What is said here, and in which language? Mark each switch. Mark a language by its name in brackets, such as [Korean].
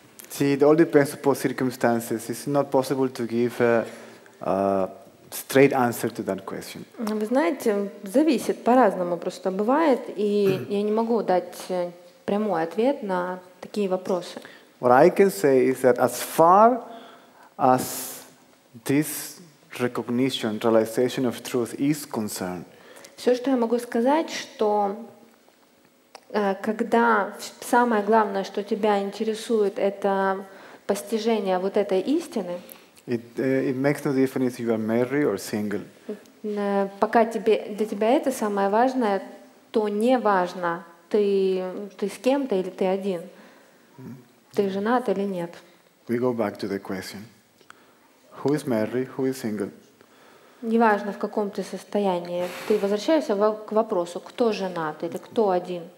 [English] See, it all depends upon circumstances. It's not possible to give a straight answer to that question. [Russian] Вы знаете, зависит по-разному просто бывает, и я не могу дать прямой ответ на такие вопросы. [English] What I can say is that as far as this recognition, realization of truth is concerned. [Russian] Все, что я могу сказать, что когда самое главное, что тебя интересует, это постижение вот этой истины. [English] It makes no difference if you are married or single. [Russian] Пока тебе, для тебя это самое важное, то не важно, ты с кем-то или ты один. Ты женат или нет. [English] We go back to the question. Who is married? Who is single? [Russian] Неважно, в каком ты состоянии, ты возвращаешься к вопросу, кто женат или кто один.